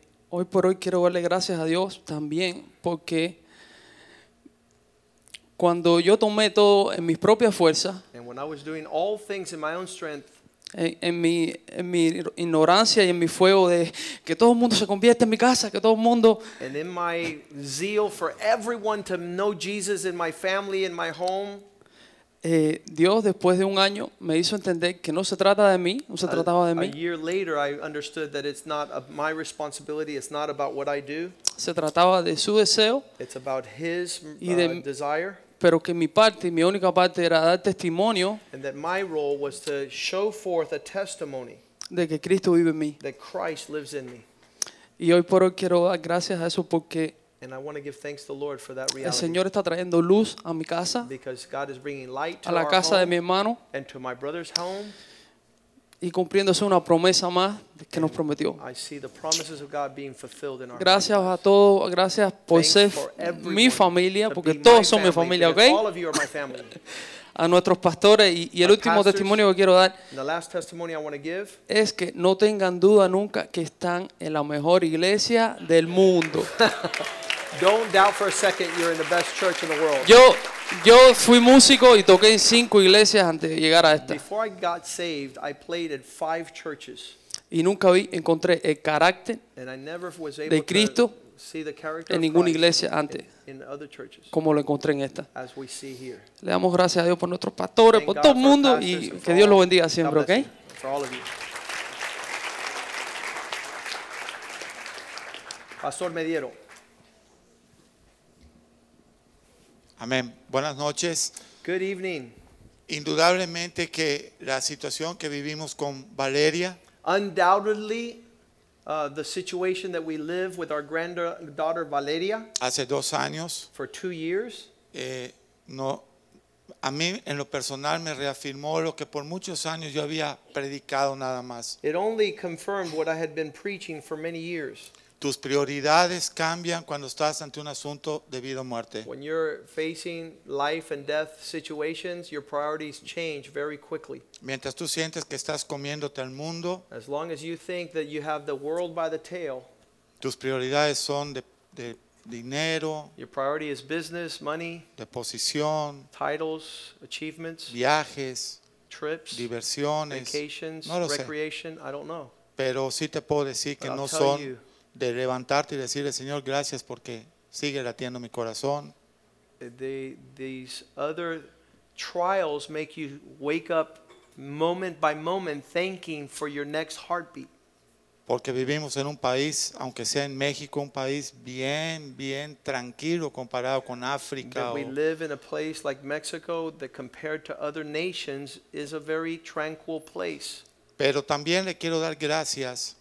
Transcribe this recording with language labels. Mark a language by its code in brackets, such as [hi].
[es] Hoy por hoy quiero darle gracias a Dios también porque cuando yo tomé todo en mis propias fuerzas, [en] and when I was doing all things in my own strength, [es] en mi ignorancia y en mi fuego de que todo el mundo se convierta en mi casa, que todo el mundo, [en] and in my zeal for everyone to know Jesus in my family, in my home, [es] Dios después de un año me hizo entender que no se trata de mí, no se trataba de mí. [en] A year later I understood that it's not my responsibility, it's not about what I do. [es] Se trataba de su deseo. [en] It's about his desire. [es] Pero que mi parte, mi única parte era dar testimonio. [en] And that my role was to show forth a testimony. [es] De que Cristo vive en mí. [en] That Christ lives in me. [es] Y hoy por hoy quiero dar gracias a eso porque [en] and I want to give thanks to the Lord for that reality. [es] El Señor está trayendo luz a mi casa, [en] because God is bringing light to [es] a la casa [en] our home [es] de mi hermano, [en] and to my brother's home. [es] Y cumpliéndose una promesa más que [en] and [es] nos prometió. [en] I see the promises of God being fulfilled in our [es] gracias a todos, gracias por [en] thanks [es] ser [en] for [es] mi familia, porque todos son mi familia, ¿ok? [en] All of you are my family. [es] A nuestros pastores y el último [en] pastors, [es] testimonio que quiero dar [en] the last testimony I want to give, [es] es que no tengan duda nunca que están en la mejor iglesia del mundo. [en] Don't doubt for a second you're in the best church in the world. [es] Yo fui músico y toqué en cinco iglesias antes de llegar a esta. [en] Before I got saved, I played at five churches. [es] Y nunca vi, encontré el carácter de Cristo en ninguna iglesia antes. [en] In other churches, [es] como lo encontré en esta. [en] As we see here. [es] Le damos gracias a Dios por nuestros pastores, [en] thank [es] por todo el mundo y que Dios [en] all [es] lo bendiga siempre, ¿ok? [en] For all of you. [es] Pastor Mediero. Amén. Buenas noches. [en] Good evening. [es] Indudablemente que la situación que vivimos con Valeria. [en] Undoubtedly, the situation that we live with our granddaughter Valeria. [es] Hace dos años. [en] For 2 years. [es] No, a mí en lo personal me reafirmó lo que por muchos años yo había predicado nada más. [en] It only confirmed what I had been preaching for many years. [es] Tus prioridades cambian cuando estás ante un asunto de vida o muerte. [en] When you're facing life and death situations, your priorities change very quickly. [es] Mientras tú sientes que estás comiéndote al mundo, [en] as long as you think that you have the world by the tail, [es] tus prioridades son de dinero, [en] your priority is business, money, [es] de posición, [en] titles, achievements, [es] viajes, [en] trips, [es] diversiones, [en] vacations, [es] no lo sé, [en] recreation, I don't know. [es] Pero sí te puedo decir que [en] but [es] no [en] I'll [es] son [en] tell you, [es] de levantarte y decirle Señor gracias porque sigue latiendo mi corazón. [en] These other trials make you wake up moment by moment thanking for your next heartbeat. [es] Porque vivimos en un país, aunque sea en México, un país bien, bien tranquilo comparado con África. [en] We live in a place like Mexico that compared to other nations is a very tranquil place. [es] Pero también le quiero dar gracias.